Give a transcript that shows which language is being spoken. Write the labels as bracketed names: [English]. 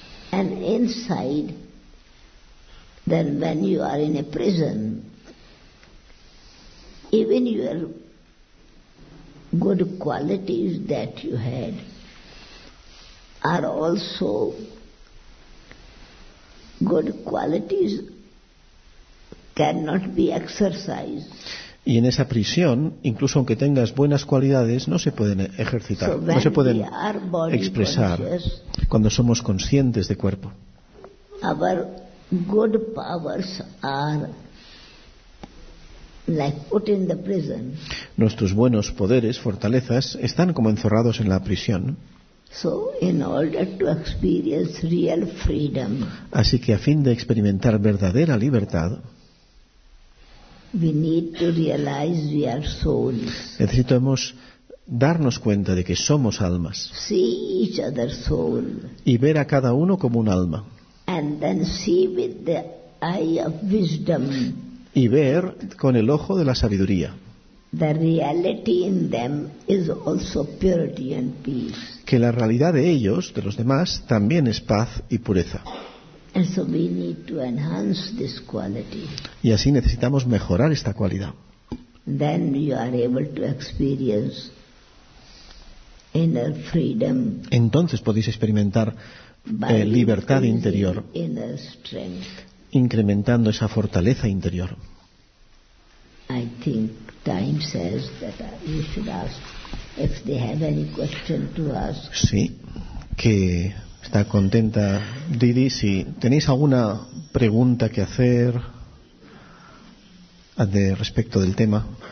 [English] And inside, then when you are in a prison, even your good qualities that you had are also good qualities cannot be exercised. [Spanish] Y en esa prisión, incluso aunque tengas buenas cualidades, no se pueden ejercitar, [English] so [Spanish] no se pueden expresar cuando somos conscientes de cuerpo. [English] Our good powers are like put in the prison. [Spanish] Nuestros buenos poderes, fortalezas, están como encerrados en la prisión. [English] So in order to experience real freedom, [Spanish] así que a fin de experimentar verdadera libertad, [English] we need to realize we are souls. [Spanish] Necesitamos darnos cuenta de que somos almas. [English] See each other soul. [Spanish] Y ver a cada uno como un alma. [English] And then see with the eye of wisdom. [Spanish] Y ver con el ojo de la sabiduría. [English] The reality in them is also purity and peace. [Spanish] Que la realidad de ellos, de los demás, también es paz y pureza. [English] And so we need to enhance this quality. [Spanish] Y así necesitamos mejorar esta cualidad. [English] Then you are able to experience inner freedom. [Spanish] Entonces podéis experimentar libertad interior. [English] Inner strength. [Spanish] Incrementando esa fortaleza interior. [English] I think time says that we should ask if they have any question to ask. [Spanish] Sí, que está contenta Didi. Si tenéis alguna pregunta que hacer de respecto del tema.